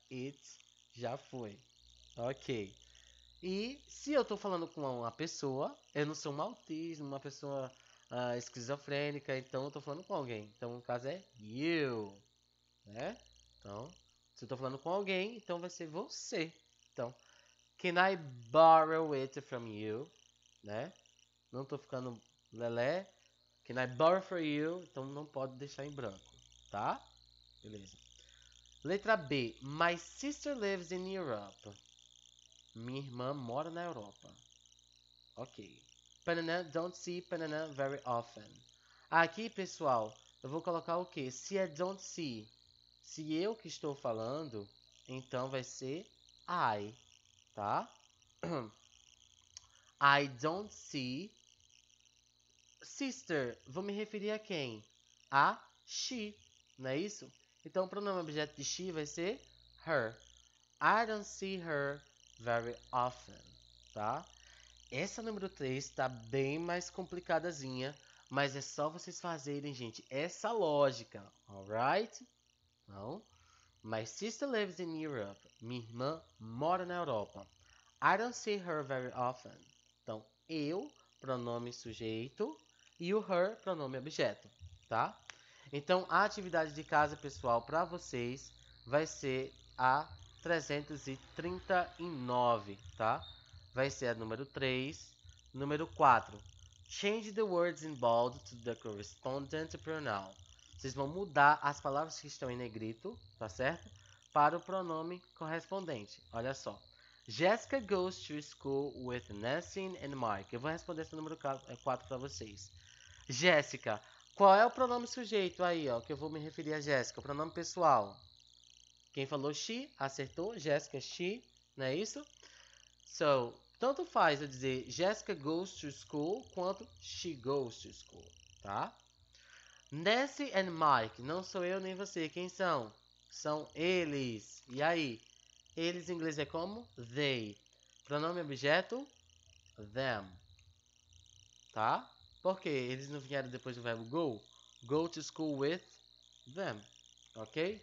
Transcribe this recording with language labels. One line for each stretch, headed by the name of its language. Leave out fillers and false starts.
Portuguese: It, já foi. Ok. E se eu tô falando com uma pessoa, eu não sou um autista, uma pessoa esquizofrênica, então eu tô falando com alguém. Então, o caso é you, né? Então, se eu tô falando com alguém, então vai ser você.
English: Então, can I borrow it from you?
Portuguese: Né? Não tô ficando lelé.
English: Can I borrow for you?
Portuguese: Então não pode deixar em branco, tá? Beleza. Letra B.
English: My sister lives in Europe.
Portuguese: Minha irmã mora na Europa. Ok.
English: Panana, don't see panana very often.
Portuguese: Aqui, pessoal, eu vou colocar o quê? Se é
English: don't see...
Portuguese: Se eu que estou falando, então vai ser I, tá?
English: I don't see sister.
Portuguese: Vou me referir a quem? A she, não é isso? Então o pronome objeto de she vai ser her.
English: I don't see her very often, tá?
Portuguese: Essa número 3 está bem mais complicadazinha, mas é só vocês fazerem, gente, essa lógica, alright? Não.
English: My sister lives in Europe.
Portuguese: Minha irmã mora na Europa.
English: I don't see her very often.
Portuguese: Então, eu, pronome sujeito, e o her, pronome objeto, tá? Então, a atividade de casa, pessoal, para vocês, vai ser a 339, tá? Vai ser a número 3. Número 4.
English: Change the words in bold to the correspondent pronoun.
Portuguese: Vocês vão mudar as palavras que estão em negrito, tá certo? Para o pronome correspondente. Olha só.
English: Jessica goes to school with Nancy and Mark.
Portuguese: Eu vou responder esse número 4 para vocês. Jessica, qual é o pronome sujeito aí, ó, que eu vou me referir a Jessica? O pronome pessoal. Quem falou she, acertou. Jessica, she, não é isso? So, tanto faz eu dizer
English: Jessica goes to school
Portuguese: quanto
English: she goes to school,
Portuguese: tá? Nancy and Mike, não sou eu nem você, quem são? São eles. E aí? Eles em inglês é como? They. Pronome objeto? Them. Tá? Por quê? Eles não vieram depois do verbo go?
English: Go to school with them.
Portuguese: Ok?